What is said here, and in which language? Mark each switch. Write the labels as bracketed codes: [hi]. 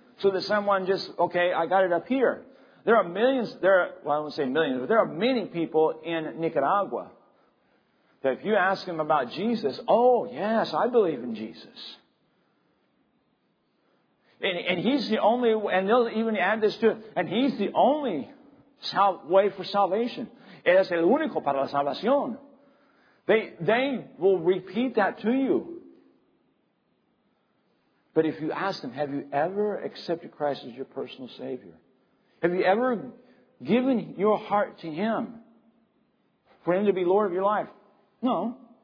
[en] So that someone just, okay, I got it up here. There are millions, I won't say millions, but there are many people in Nicaragua that if you ask them about Jesus, oh, yes, I believe in Jesus. And he's the only, and they'll even add this to it, and he's the only way for salvation. [es] Es el único para la salvación. [en] They will repeat that to you. But if you ask them, have you ever accepted Christ as your personal Savior? Have you ever given your heart to Him for Him to be Lord of your life? No.